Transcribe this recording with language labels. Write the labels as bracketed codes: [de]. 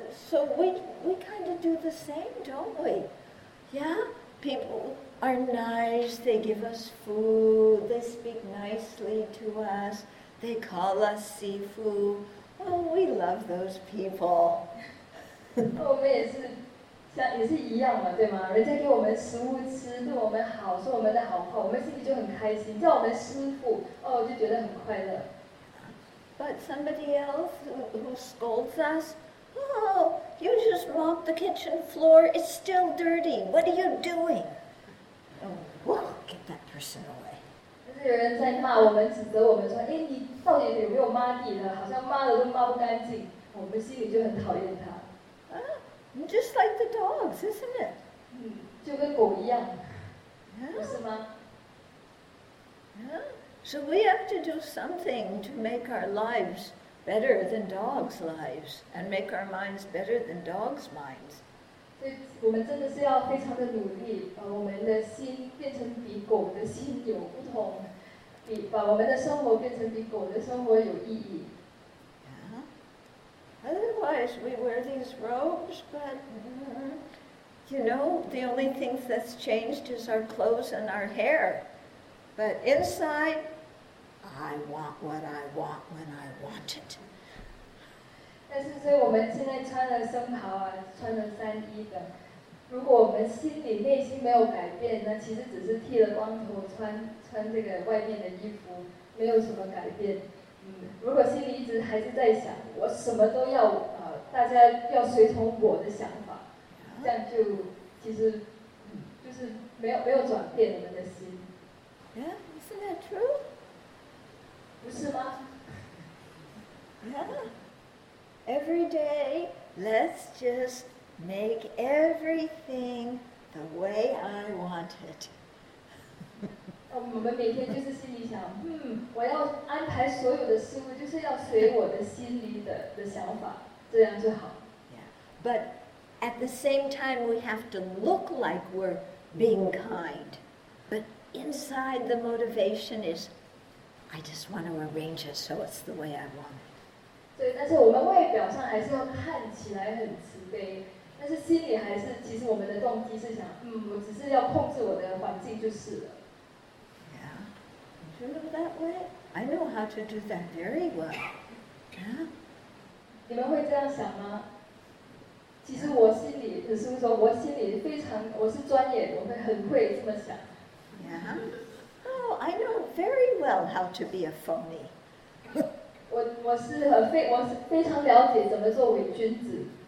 [en] So we kind of do the same, don't we? Yeah, people are nice, they give us food, they speak nicely to us, they call us Sifu. Oh, we love those people. [zh] 我们也是像也是一样嘛，对吗？人家给我们食物吃，对我们好，说我们的好话，我们心里就很开心，叫我们师父，哦，就觉得很快乐。 [en] But somebody else who scolds us,Oh, you just mopped the kitchen floor. It's still dirty. What are you doing? Oh, whoa, get that person away. [zh] 但是别人在骂我们，指责我们说，哎，你到底有没有抹地呢？好像抹了都抹不干净，我们心里就很讨厌他。 [en] Ah, just like the dogs, isn't it? [zh] 就跟狗一样，不是吗？ [en] So we have to do something to make our lives better than dogs' lives, and make our minds better than dogs' minds. [zh] 所以我们真的是要非常的努力，把我们的心变成比狗的心有不同，把我们的生活变成比狗的生活有意义。 [en] Otherwise, we wear these robes, but you know, the only thing that's changed is our clothes and our hair. But inside, I want what I want when I want it. [zh] 但是所以我们现在穿了僧袍啊，穿了三衣的。如果我们心里内心没有改变，那其实只是剃了光头，穿这个外面的衣服，没有什么改变。如果心里一直还是在想，我什么都要，大家要随从我的想法，这样就其实就是没有转变我们的心。 [en] Yeah, isn't that true? [zh] 不是吗？ [en] Yeah. Every day, let's just make everything the way I want it. [zh] 我们每天就是心里想，我要安排所有的事物，就是要随我的心里的想法，这样就好。 [en] Yeah. But at the same time, we have to look like we're being kind. But inside, the motivation is, I just want to arrange it so it's the way I want it. [zh] 对，但是我们外表上还是要看起来很慈悲，但是心里还是，其实我们的动机是想，我只是要控制我的环境就是了。 [en] Do it that way? I know how to do that very well. [zh] Yeah. 你们会这样想吗？其实我心里，师父说，我心里非常，我是专业，我会很会这么想。 [en] Yeah. Oh, I know very well how to be a phony. [zh] 我是非常了解怎么做伪君子。